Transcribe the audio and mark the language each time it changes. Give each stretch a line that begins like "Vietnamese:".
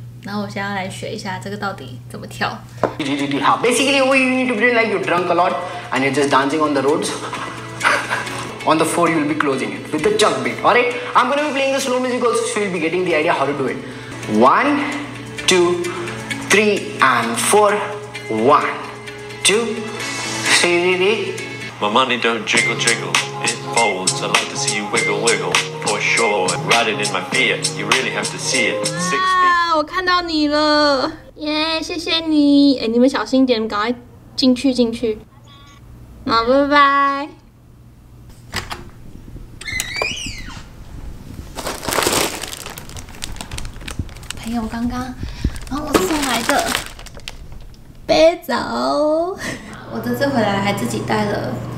Chinese: 然后我现在来学一下这个到底怎么跳。
English: Basically, we need to be like you drunk a lot and you're just dancing on the roads. On the four, you'll be closing it with the chug beat. All right, I'm going to be playing the slow music also, so you'll be getting the idea how to do it. One, two, three, and four. One, two, three. My money don't jiggle jiggle, it folds. I'd like to see you wiggle wiggle, for sure. I'm riding in my Fiat, you really have to see it. 6 feet.
Chinese: 我看到你了，耶、yeah, ！ 谢谢你。哎，你们小心一点，赶快进去进去。好，拜拜。朋友刚刚帮我送来的杯子，我这次回来还自己带了。